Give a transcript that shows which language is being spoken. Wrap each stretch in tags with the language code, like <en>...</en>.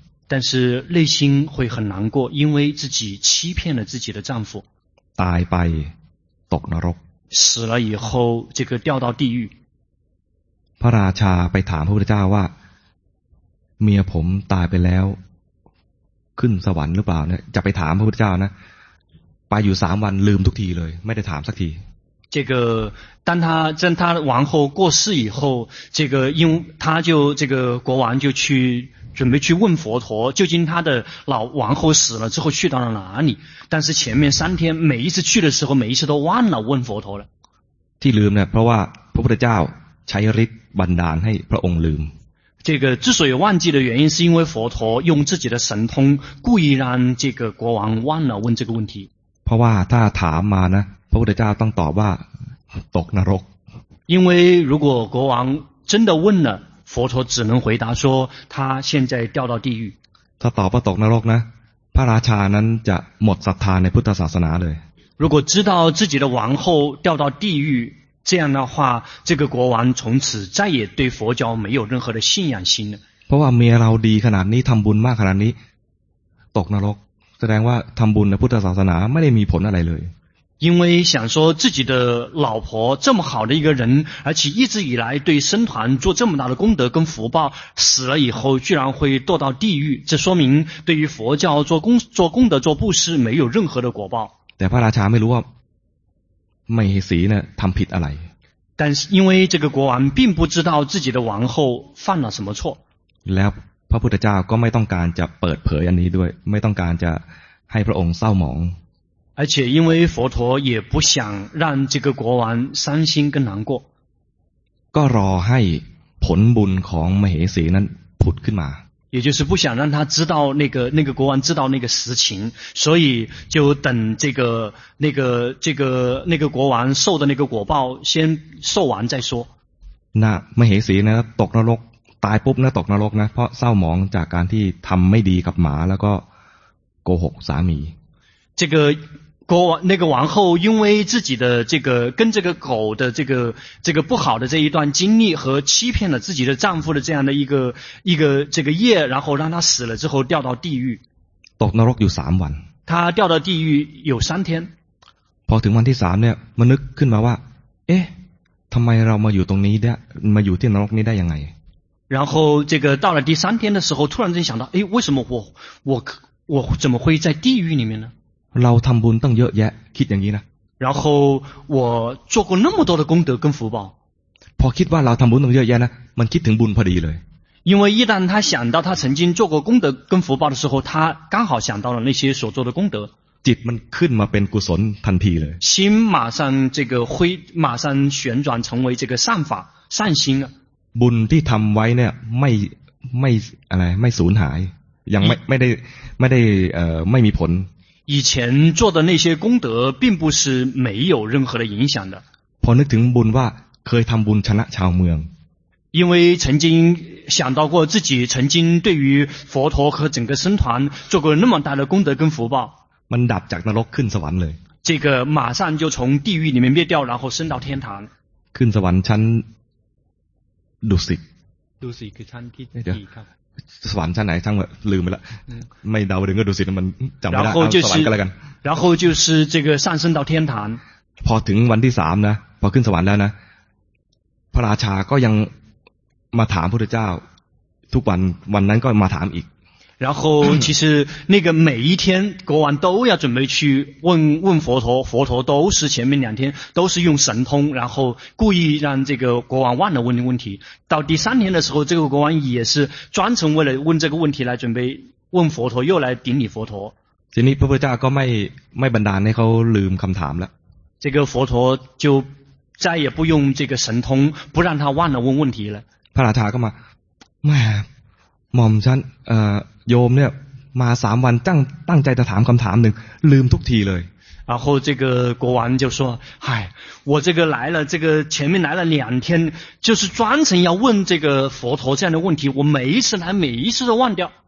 <th>แต่</th> <zh>是内心会很难过因为自己欺骗了自己的丈夫</zh> <th>ตายไปตกนรก</th> <zh>死了以后这个掉到地狱</zh> <th>พระราชาไปถามพระพุทธเจ้าว่าเมียผมตายไปแล้วขึ้นสวรรค์หรือเปล่าเนี่ยจะไปถามพระพุทธเจ้านะไปอยู่3วันลืมทุกทีเลยไม่ได้ถามสักที</th> <zh>这个当他真他王后过世以后这个因他就这个国王就去准备去问佛陀究竟他的老王后死了之后去到了哪里但是前面三天每一次去的时候每一次都忘了问佛陀了</zh> <th>ที่ลืมเนี่ยเพราะว่าพระพุทธเจ้าใช้ฤทธิ์บันดาลให้พระองค์ลืม</th> <zh>这个之所以忘记的原因是因为佛陀用自己的神通故意让这个国王忘了问这个问题</zh> <th>เพราะว่าถ้าถามมานะพระพุทธเจ้าต้องตอบว่าตกนรก</th> <zh>因为如果国王真的问了佛陀只能回答说他现在掉到地狱</zh> <th>ถ้าตอบว่าตกนรกนะพระราชานั้นจะหมดศรัทธาในพุทธศาสนาเลย</th> <zh>如果知道自己的王后掉到地狱这样的话这个国王从此再也对佛教没有任何的信仰心</zh> <th>เพราะว่าเมียเราดีขนาดนี้ทำบุญมากขนาดนี้ตกนรกแสดงว่าทำบุญในพุทธศาสนาไม่ได้มีผลอะไรเลย</th> <zh>因为想说自己的老婆这么好的一个人而且一直以来对僧团做这么大的功德跟福报死了以后居然会堕到地狱这说明对于佛教做功德做布施没有任何的果报</zh> <th>แต่พระราชาไม่รู้ว่าเมสีเนี่ยทำผิดอะไร</th> <zh>但是因为这个国王并不知道自己的王后犯了什么错</zh> <th>แล้วพระพุทธเจ้าก็ไม่ต้องการจะเปิดเผยอันนี้ด้วยไม่ต้องการจะให้พระองค์เศร้าหมอง</th> <zh>而且因为佛陀也不想让这个国王伤心跟难过</zh> <th>ก็รอให้ผลบุญของมเหสีนั้นผุดขึ้นมา</th> <zh>也就是不想让他知道那个国王知道那个实情所以就等那个国王受的那个果报先受完再说</zh> <th>นะมเหสีนะตกนรกตายปุ๊บนะตกนรกนะเพราะเศร้าหมองจากการที่ทำไม่ดีกับหมาแล้วก็โกหกสามี</th> <zh>这个国王那个王后因为自己的这个跟这个狗的这个不好的这一段经历和欺骗了自己的丈夫的这样的一个这个业然后让他死了之后掉到地狱</zh> <th>ตกนรกอยู่3วัน</th> <zh>他掉到地狱有3天</zh> <th>พอถึงวันที่3เนี่ยมันนึกขึ้นมาว่าเอ๊ะทำไมเรามาอยู่ตรงนี้ได้มาอยู่ที่นรกนี้ได้ยังไง</th> <zh>然后这个到了第3天的时候突然间想到为什么我怎么会在地狱里面呢</zh> <th>เราทำบุญตั้งเยอะแยะคิดอย่างนี้นะ</th> <zh>然后我做过那么多的功德跟福报</zh> <th>พอคิดว่าเราทำบุญตั้งเยอะแยะนะมันคิดถึงบุญพอดีเลย</th> <zh>因为一旦他想到他曾经做过功德跟福报的时候他刚好想到了那些所做的功德</zh> <th>จิตมันขึ้นมาเป็นกุศลทันทีเลย</th> <zh>心马上这个挥马上旋转成为这个善法善心</zh> <th>บุญที่ทำไว้เนี่ยไม่อะไรไม่สูญหายยังไม่ได้ไม่มีผล</th> <zh>以前做的那些功德并不是没有任何的影响的</zh> <th>พอนึกถึงบุญว่าเคยทำบุญชนะชาวเมือง</th> <zh>因为曾经想到过自己曾经对于佛陀和整个僧团做过那么大的功德跟福报</zh> <th>มันดับจากนรกขึ้นสวรรค์เลย</th> <zh>这个马上就从地狱里面灭掉然后升到天堂</zh> <th>ขึ้นสวรรค์ชั้นดุสิต ดุสิตคือชั้นที่ 4ครับสวรรค์ชั้นไหนช่างลืมไปแล้วไม่ดาวดึงก็ดุสิตมันจำไม่ได้</th> <zh>然后就是</zh> <th>สวรรค์ก็แล้วกัน</th> <zh>然后就是这个上升到天堂</zh> <th>พอถึงวันที่3นะพอขึ้นสวรรค์แล้วนะพระราชาก็ยังมาถามพระพุทธเจ้าทุกวันวันนั้นก็มาถามอีก</th> <zh>然后其实那个每一天国王都要准备去问佛陀佛陀都是前面两天都是用神通然后故意让这个国王忘了问的问题到第三天的时候这个国王也是专程为了问这个问题来准备问佛陀又来顶礼佛陀</zh> <th>ทีนี้พระพุทธเจ้าก็ไม่บันดาลให้เขาลืมคำถามแล้</th> <zh>ว这个佛陀就再也不用这个神通不让他忘了问问题了</zh> <th>พระราชาก็มาแม่หม่อมฉันโยมเนี่ยมา3วันตั้งใจจะถามคำถามหนึ่งลืมทุกทีเลย</th> <zh>然后这个国王就说嗨我这个来了这个前面来了两天就是专程要问这个佛陀这样的问题我每一次来每一次都忘掉</zh>